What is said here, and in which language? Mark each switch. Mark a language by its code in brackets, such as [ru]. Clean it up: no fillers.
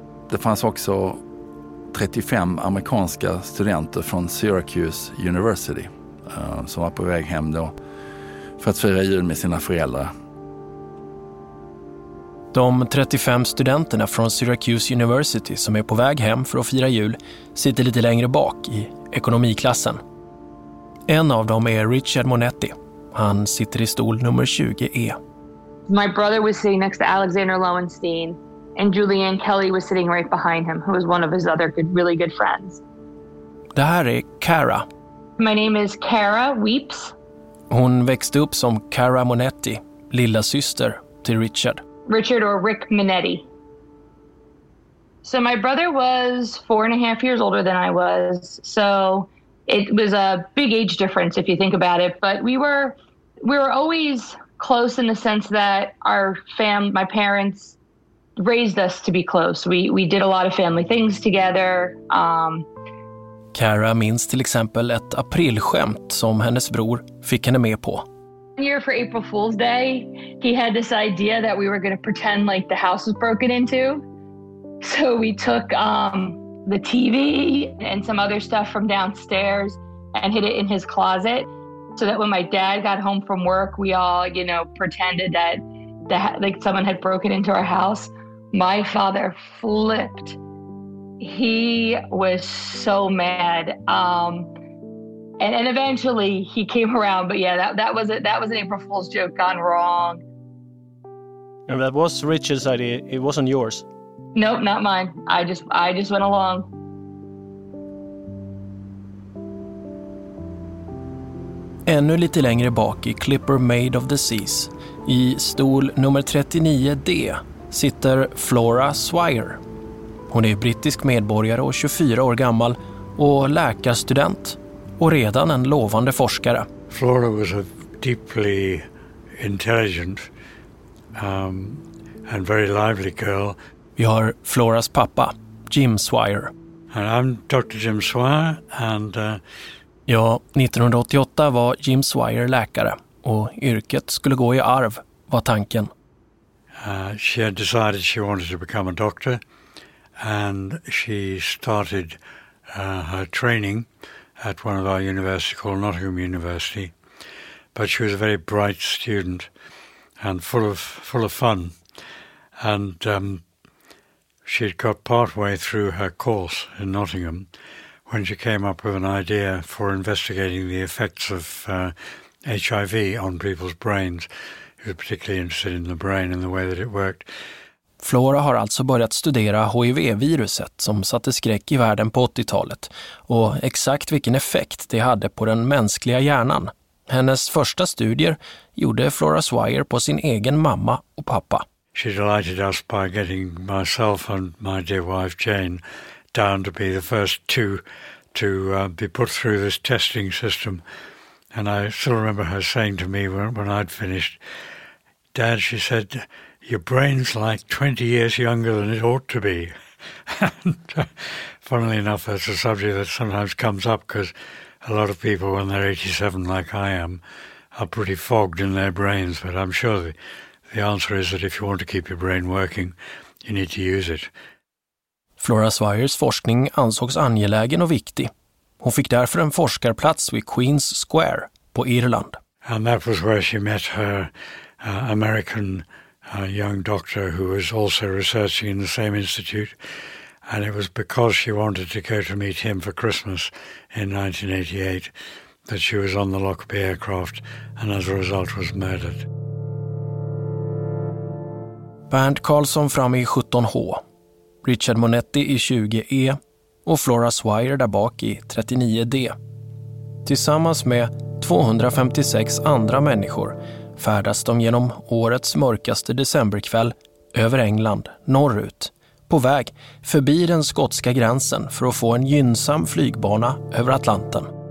[sv] Det fanns också 35 amerikanska studenter från Syracuse University som var på väg hem då för att fira jul med sina föräldrar. De 35 studenterna från Syracuse University som är på väg hem för att fira jul sitter lite längre bak i ekonomiklassen. En av dem är Richard Monetti. Han sitter i stol nummer 20E. [en] My brother was sitting next to Alexander Lowenstein, and Julianne Kelly was sitting right behind him, who was one of his other good, really good friends. [sv] Det här är Kara. [en] My name is Kara Weeps. [sv] Hon växte upp som Kara Monetti, lilla syster till Richard. [en] Richard or Rick Minetti. So my brother was 4.5 years older than I was, so it was a big age difference if you think about it, but we were always close in the sense that my parents raised us to be close. We did a lot of family things together. [sv] Kara minns till exempel ett aprilskämt som hennes bror fick henne med på. [en] One year for April Fool's Day, he had this idea that we were going to pretend like the house was broken into. So we took the TV and some other stuff from downstairs and hid it in his closet so that when my dad got home from work, we all, you know, pretended that like someone had broken into our house. My father flipped. He was so mad. And eventually he came around, but yeah, that was an April Fool's joke gone wrong. And that was Richard's idea. It wasn't yours. Nope, not mine. I just went along. [sv] Ännu lite längre bak i Clipper Made of the Seas, i stol nummer 39D, sitter Flora Swire. Hon är brittisk medborgare och 24 år gammal och läkarstudent och redan en lovande forskare. [en] Flora was a deeply intelligent and very lively girl. [sv] Vi har Floras pappa, Jim Swire. [en] And I'm Dr. Jim Swire. [sv] Ja, 1988 var Jim Swire läkare och yrket skulle gå i arv, var tanken. [en] She had decided she wanted to become a doctor and she started her training at one of our universities called Nottingham University. But she was a very bright student and full of fun. And she'd got partway through her course in Nottingham when she came up with an idea for investigating the effects of HIV on people's brains. She was particularly interested in the brain and the way that it worked. [sv] Flora har alltså börjat studera HIV-viruset som satte skräck i världen på 80-talet och exakt vilken effekt det hade på den mänskliga hjärnan. Hennes första studier gjorde Flora Swire på sin egen mamma och pappa. [en] She delighted us by getting myself and my dear wife Jane down to be the first two to be put through this testing system. And I still remember her saying to me when I'd finished, "Dad," she said, your brain's like 20 years younger than it ought to be. And funnily enough, that's a subject that sometimes comes up because a lot of people when they're 87 like I am are pretty fogged in their brains. But I'm sure the answer is that if you want to keep your brain working, you need to use it. [sv] Flora Swires forskning ansågs angelägen och viktig. Hon fick därför en forskarplats vid Queen's Square på Irland. [en] And that was where she met her American young doctor who was also researching in the same institute. And it was because she wanted to go to meet him for Christmas in 1988 that she was on the Lockerbie aircraft and as a result was murdered. [sv] Bernt Karlsson fram i 17H, Richard Monetti i 20E och Flora Swire där bak i 39D. Tillsammans med 256 andra människor färdas de genom årets mörkaste decemberkväll över England, norrut, på väg förbi den skotska gränsen för att få en gynnsam flygbana över Atlanten.